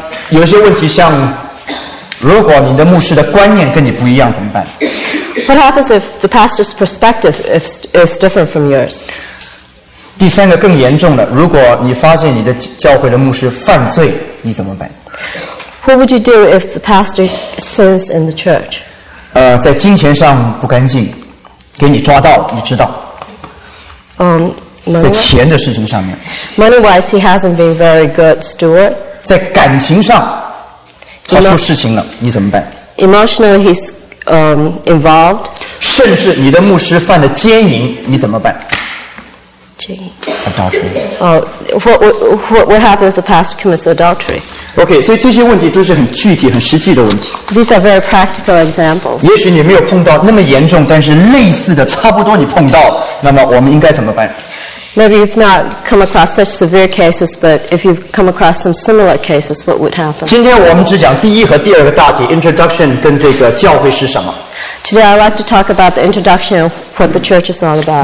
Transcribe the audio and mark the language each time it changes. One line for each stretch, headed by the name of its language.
Chinese: 有些问题像，如果你的牧师的观念跟你不一样怎么办
English: ？What happens if the pastor's perspective is different from yours？
Chinese: 第三个更严重的，如果你发现你的教会的牧师犯罪，你怎么办
English: ？What would you do if the pastor sins in the church？
Chinese: 在金钱上不干净，给你抓到，你知道。在钱的事情上面。
English: Money-wise, he hasn't been very good steward。
Chinese: 在感情上，他出事情了，你怎么办
English: ？Emotionally, he's involved.
Chinese: 甚至你的牧师犯了奸淫，你怎么办？奸淫
English: ？Adultery. What happens if the pastor commits adultery?
Chinese: Okay, 所以这些问题都是很具体、很实际的问题。
English: These are very practical examples.
Chinese: 也许你没有碰到那么严重，但是类似的、差不多你碰到，那么我们应该怎么办？
English: Maybe you've not come across such severe cases, but if you've come across some similar cases, what would happen?
Chinese: 今天我们只讲第一和第二个大题 ，introduction 跟这个教会是什么
English: ？Today I'd like to talk about the introduction of what the church is all about.